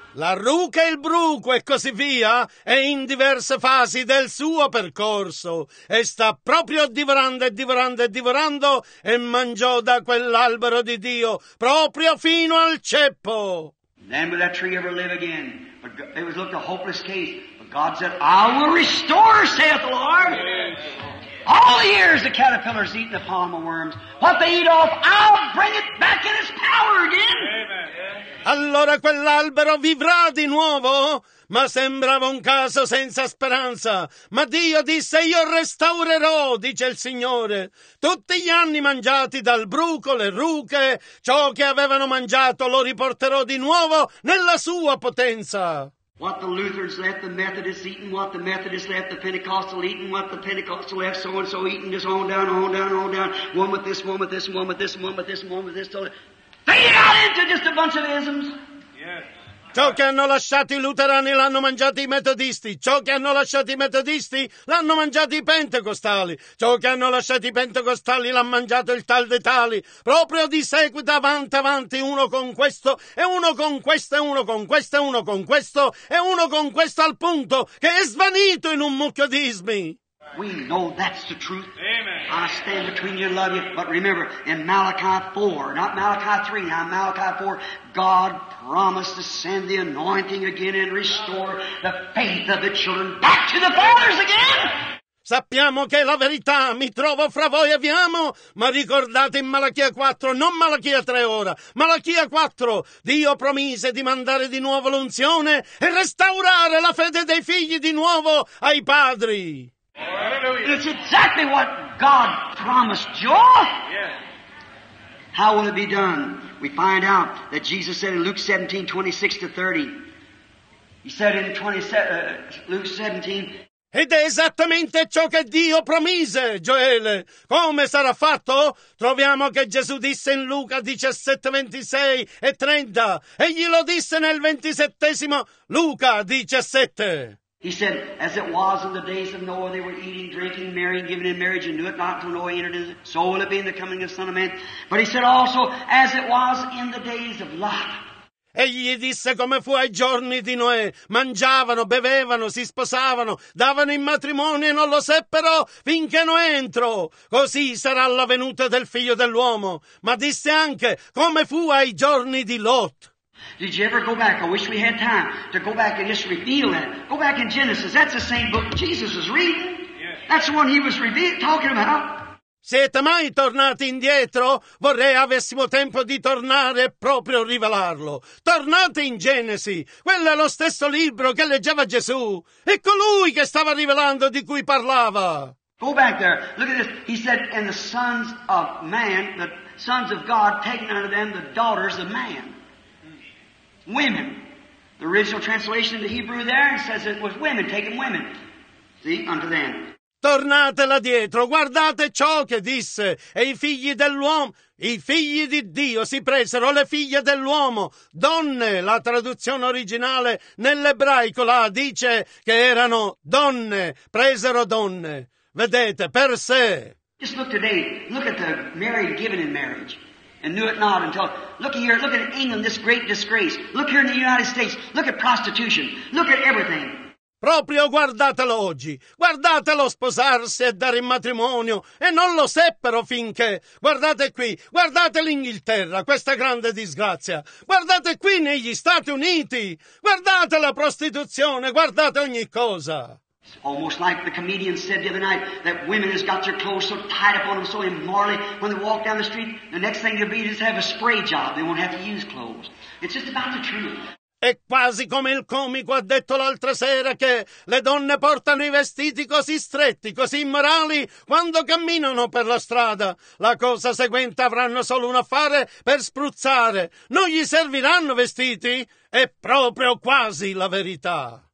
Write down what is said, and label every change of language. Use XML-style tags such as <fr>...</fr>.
<it>La ruca e il bruco e così via è in diverse fasi del suo percorso e sta proprio divorando e divorando e divorando e mangiò da quell'albero di Dio proprio fino al ceppo.</it> <en>Then will that tree ever live again? But it was looked a hopeless case. But God said, I will restore, saith the Lord. All the years the caterpillars eat the palmer worms. What they eat off, I'll bring it back in its power again.</en> <it>Allora quell'albero vivrà di nuovo? Ma sembrava un caso senza speranza. Ma Dio disse, io restaurerò, dice il Signore, tutti gli anni mangiati dal bruco, le ruche, ciò che avevano mangiato lo riporterò di nuovo nella sua potenza.</it> <en>What the Lutherans left, the Methodists eaten, what the Methodists left, the Pentecostal eaten, what the Pentecostal left, so and so eaten, just on down, on down, on down, one with this, one with this, one with this, one with this, one with this, one with this. Fade out into just a bunch of isms. Yes.</en> <it>Ciò che hanno lasciato i luterani l'hanno mangiato i metodisti. Ciò che hanno lasciato i metodisti l'hanno mangiato i pentecostali. Ciò che hanno lasciato i pentecostali l'hanno mangiato il tal dei tali. Proprio di seguito avanti, avanti, uno con questo, e uno con questo, e uno con questo, e uno con questo, e uno con questo al punto che è svanito in un mucchio di ismi.</it> <en>We know that's the truth. Amen. I stand between you and love you. But remember, in Malachi 4, not Malachi 3, now Malachi 4, God promised to send the anointing again and restore the faith of the children back to the fathers again.</en> <it>Sappiamo che la verità mi trovo fra voi e vi amo, ma ricordate in Malachia 4, non Malachia 3 ora, Malachia 4, Dio promise di mandare di nuovo l'unzione e restaurare la fede dei figli di nuovo ai padri.</it> <en>Hallelujah. It's exactly what God promised Joel. Yes. How will it be done? We find out that Jesus said in Luke 17:26-30. He said in Luke 17.</en> <it>Ed è esattamente ciò che Dio promise, Gioele. Come sarà fatto? Troviamo che Gesù disse in Luca 17, 26 e 30. Egli lo disse nel 27 Luca 17.</it> <en>He said, as it was in the days of Noah, they were eating, drinking, marrying, giving in marriage, and knew it not till Noah entered into it, so will it be in the coming of the Son of Man. But he said also, as it was in the days of Lot.</en> <it>Egli disse come fu ai giorni di Noè, mangiavano, bevevano, si sposavano, davano in matrimonio e non lo seppero finché Noè entrò. Così sarà la venuta del figlio dell'uomo. Ma disse anche come fu ai giorni di Lot.</it> <en>Did you ever go back? I wish we had time to go back and just reveal that. Go back in Genesis. That's the same book Jesus was reading. That's the one he was talking about.</en> <it>Siete mai tornati indietro? Vorrei avessimo tempo di tornare e proprio rivelarlo. Tornate in Genesi. Quello è lo stesso libro che leggeva Gesù. È colui che stava rivelando di cui parlava.</it> <en>Go back there. Look at this. He said, and the sons of man, the sons of God, taken unto them the daughters of man. Women. The original translation of the Hebrew there says it was women, taken women. See, unto them.</en> <it>Tornate là dietro, guardate ciò che disse, e i figli dell'uomo, i figli di Dio si presero le figlie dell'uomo, donne, la traduzione originale nell'ebraico là dice che erano donne, presero donne, vedete, per sé.</it> <en>Just look today, look at the married given in marriage, and knew it not until, look here, look at England, this great disgrace, look here in the United States, look at prostitution, look at everything.</en> <it>Proprio guardatelo oggi, guardatelo sposarsi e dare in matrimonio, e non lo seppero finché. Guardate qui, guardate l'Inghilterra, questa grande disgrazia. Guardate qui negli Stati Uniti, guardate la prostituzione, guardate ogni cosa.</it> <en>It's almost like the comedian said the other night that women has got their clothes so tied up on them so immorally when they walk down the street, the next thing they'll be is have a spray job, they won't have to use clothes. It's just about the truth.</en> <it>È quasi come il comico ha detto l'altra sera che le donne portano i vestiti così stretti, così immorali, quando camminano per la strada. La cosa seguente avranno solo un affare per spruzzare. Non gli serviranno vestiti? È proprio quasi la verità.</it>